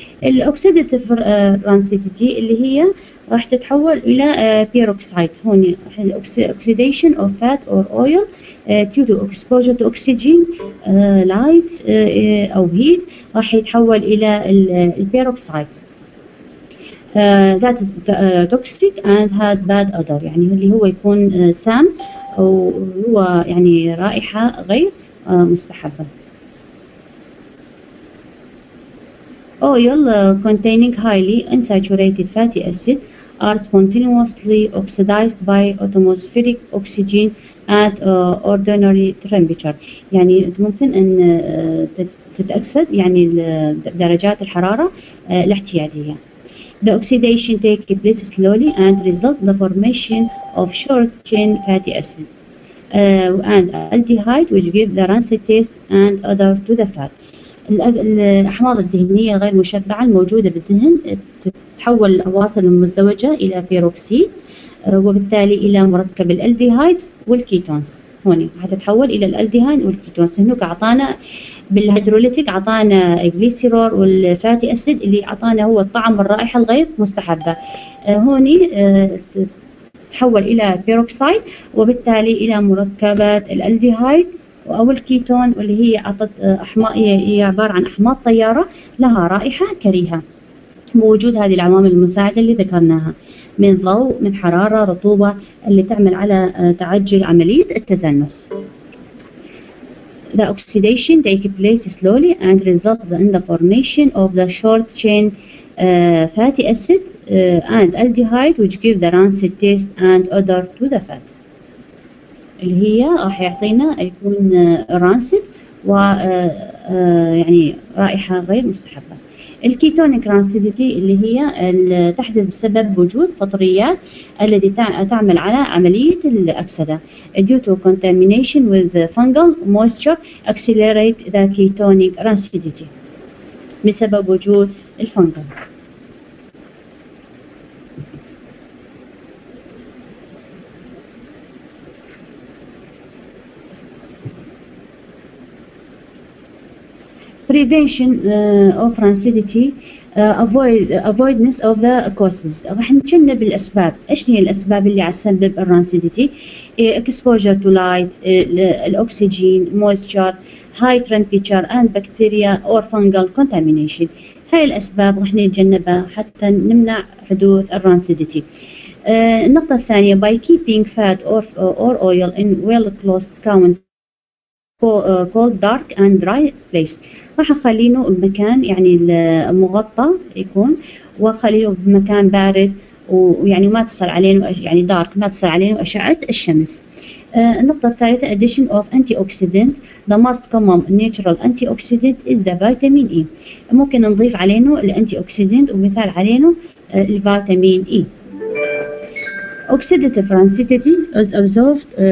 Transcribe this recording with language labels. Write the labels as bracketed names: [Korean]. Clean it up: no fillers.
[English] الاكسيداتيف رانسيديتي [Arabic] اللي هي راح تتحول الى بيروكسايد، هون [English] oxidation of fat or oil to due exposure to oxygen light or heat [Arabic] راح يتحول الى البيروكسايد [English] that is toxic and had bad odor، [Arabic] يعني اللي هو يكون سام او هو يعني رائحه غير مستحبه. [English] Oil containing highly unsaturated fatty acid are spontaneously oxidized by atmospheric oxygen at ordinary temperature. [Arabic] يعني ممكن ان تتأكسد يعني درجات الحراره الاحتياديه. [English] The oxidation takes place slowly and result the formation of short chain fatty acid and aldehyde which give the rancid taste and odor to the fat. [Arabic] الأحماض الدهنية غير مشبعة الموجودة بالدهن تتحول الأواصر المزدوجة إلى بيروكسيد وبالتالي إلى مركب الألديهايد والكيتونز. هون هتتحول إلى الألديهايد والكيتونز، هناك أعطانا بالهيدروليتيك أعطانا الجليسيرول والفاتي أسيد اللي أعطانا هو الطعم والرائحة الغير مستحبة، هون تتحول إلى بيروكسيد وبالتالي إلى مركبات الألديهايد أو الكيتون واللي هي أعطت أحماض هي عبارة عن أحماض طيارة لها رائحة كريهة، بوجود هذه العوامل المساعدة اللي ذكرناها من ضوء من حرارة رطوبة اللي تعمل على تعجل عملية التزنخ. [English] The oxidation takes place slowly and results in the formation of the short chain fatty acid and aldehyde which give the rancid taste and odor to the fat. [Arabic] اللي هي راح يعطينا يكون رانسيد و يعني رائحه غير مستحبه. الكيتونيك رانسيديتي اللي هي تحدث بسبب وجود فطريات التي تعمل على عمليه الاكسده [English] due to contamination with fungal moisture accelerate the ketonic rancidity [Arabic] بسبب وجود الفنجل. [English] Prevention of rancidity avoidance of the causes [Arabic] راح نتجنب الأسباب. إيش هي الأسباب اللي عسبب الرانسيديتي؟ [English] exposure to light الأكسجين moisture high temperature and bacteria or fungal contamination. [Arabic] هاي الأسباب راح نتجنبها حتى نمنع حدوث الرانسيديتي. النقطة الثانية [English] by keeping fat or oil in well closed count cold dark and dry place [Arabic] راح اخلينه بمكان يعني مغطى يكون واخليه بمكان بارد ويعني ما تصل عليه يعني دارك ما تصل عليه اشعه الشمس. النقطه الثالثه [English] addition of antioxidant the most common natural antioxidant is the vitamin E [Arabic] ممكن نضيف علينا الانتي اوكسيدنت ومثال علينا الفيتامين E [English] Oxidative rancidity is observed.